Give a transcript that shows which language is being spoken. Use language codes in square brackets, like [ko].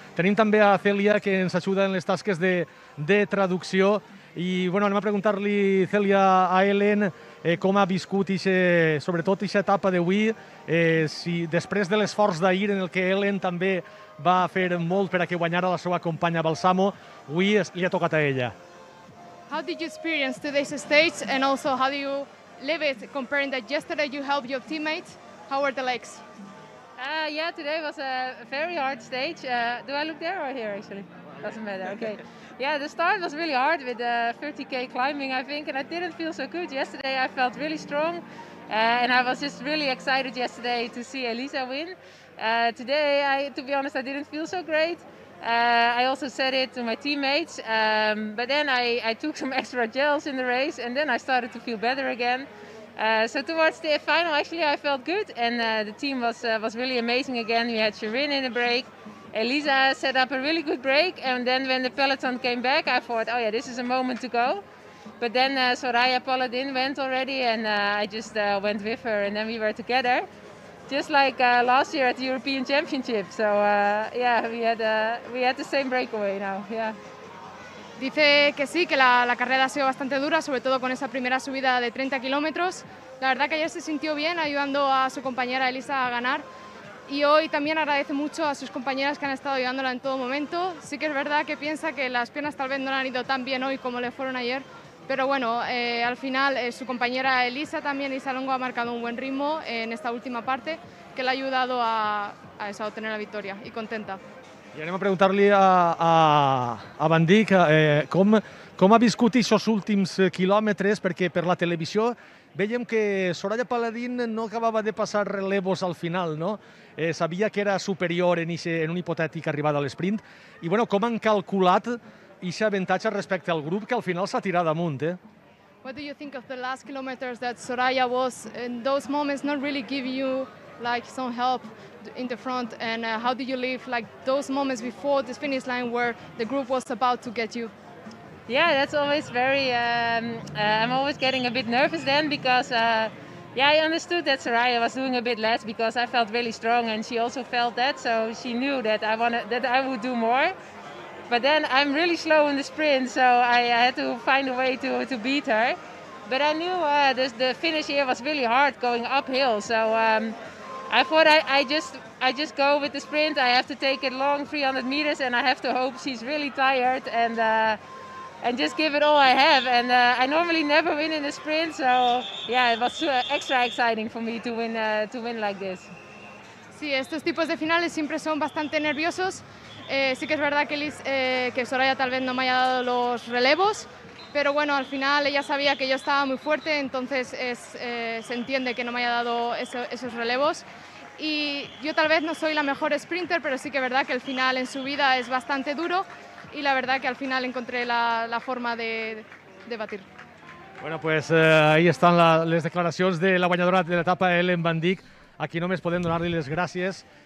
[ca] Tenim també a Celia, que ens ajuda en les tasques de traducció. I bueno, anem a preguntar-li, Celia, a Helen... com ha viscut sobretot aquesta etapa d'avui, si després de l'esforç d'ahir en el que Helen també va fer molt per a que guanyara la seva companya Balsamo, avui li ha tocat a ella. [en] How did you experience today's stage and also how do you live it comparing that yesterday you helped your teammates? How were the legs? Yeah, today was a very hard stage. Do I look there or here actually? Doesn't matter. Okay. Yeah, the start was really hard with the 30K climbing, I think, and I didn't feel so good. Yesterday I felt really strong and I was just really excited yesterday to see Elisa win. Today, to be honest, I didn't feel so great. I also said it to my teammates, but then I took some extra gels in the race and then I started to feel better again. So towards the final, actually, I felt good and the team was really amazing again. We had Shirin in the break. Elisa set up a really good break, and then when the peloton came back, I thought, oh yeah, this is a moment to go. But then Soraya Paladin went already, and I just went with her, and then we were together. Just like last year at the European Championship. So yeah, we had the same breakaway now, yeah. [es] Dice que sí, que la carrera ha sido bastante dura, sobre todo con esa primera subida de 30 kilómetros. La verdad que ayer se sintió bien, ayudando a su compañera Elisa a ganar. Y hoy también agradece mucho a sus compañeras que han estado ayudándola en todo momento. Sí que es verdad que piensa que las piernas tal vez no han ido tan bien hoy como le fueron ayer. Pero bueno, al final su compañera Elisa también, Elisa Longo, ha marcado un buen ritmo en esta última parte que le ha ayudado a obtener la victoria y contenta. [ca] I anem a preguntar-li a Van Dijk com ha viscut aquests últims quilòmetres, perquè per la televisió veiem que Soraya Paladín no acabava de passar relevos al final, no? Sabia que era superior en una hipotètica arribada a l'esprint. I, bueno, com han calculat aquest avantatge respecte al grup que al final s'ha tirat damunt, eh? [en] What do you think of the last kilometers that Soraya was in those moments not really give you like some help in the front, and how did you live like those moments before this finish line where the group was about to get you? Yeah, that's always very I'm always getting a bit nervous then, because I understood that Soraya was doing a bit less because I felt really strong and she also felt that, so she knew that I would do more. But then I'm really slow in the sprint, so I had to find a way to beat her. But I knew the finish here was really hard going uphill, so I thought I just go with the sprint. I have to take it long, 300 meters, and I have to hope she's really tired and just give it all I have. And I normally never win in a sprint, so yeah, it was extra exciting for me to win like this. [es] Sí, estos tipos de finales siempre son bastante nerviosos. Sí que es verdad que Soraya tal vez no me haya dado los relevos, pero bueno, al final ella sabía que yo estaba muy fuerte, entonces se entiende que no me haya dado esos relevos. Y yo tal vez no soy la mejor sprinter, pero sí que es verdad que el final en subida es bastante duro. y la verdad que al final encontré la forma de batir. Bueno, pues ahí están las declaraciones de la guanyadora de la etapa, Ellen Van Dijk. [ca] Aquí només podem donar-li les gràcies.